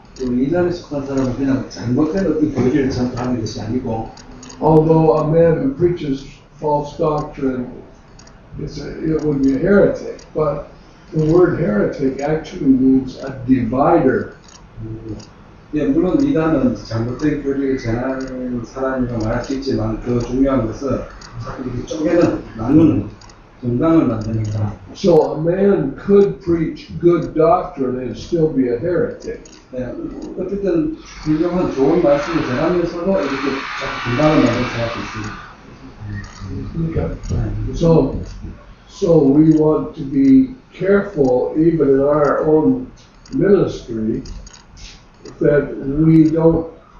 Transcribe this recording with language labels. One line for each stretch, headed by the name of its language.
English: Although a man who preaches false doctrine would be a heretic, but the word heretic actually means a divider.
Korean: 예, 물론 이단은 잘못된 교리를 전하는 사람이라고 말할 수 있지만 더 중요한 것은 이렇게 쪼개는, 나누는.
English: So a man could preach good doctrine and still be a heretic. So we want to be careful even in our own ministry that we don't